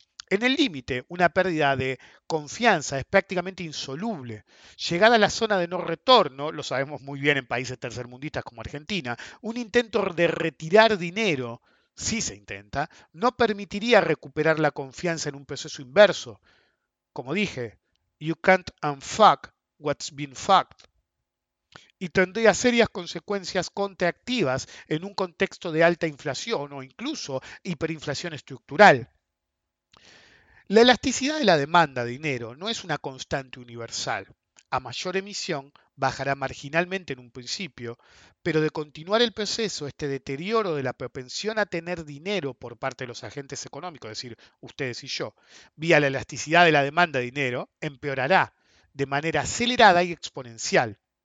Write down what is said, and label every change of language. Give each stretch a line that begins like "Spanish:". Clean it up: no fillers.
Spanish: En el límite, una pérdida de confianza es prácticamente insoluble. Llegada a la zona de no retorno, lo sabemos muy bien en países tercermundistas como Argentina, un intento de retirar dinero, si se intenta, no permitiría recuperar la confianza en un proceso inverso. Como dije,
English: you can't unfuck what's been fucked.
Spanish: Y tendría serias consecuencias contractivas en un contexto de alta inflación o incluso hiperinflación estructural. La elasticidad de la demanda de dinero no es una constante universal. A mayor emisión, bajará marginalmente en un principio, pero de continuar el proceso, este deterioro de la propensión a tener dinero por parte de los agentes económicos, es decir, ustedes y yo, vía la elasticidad de la demanda de dinero, empeorará de manera acelerada y exponencial.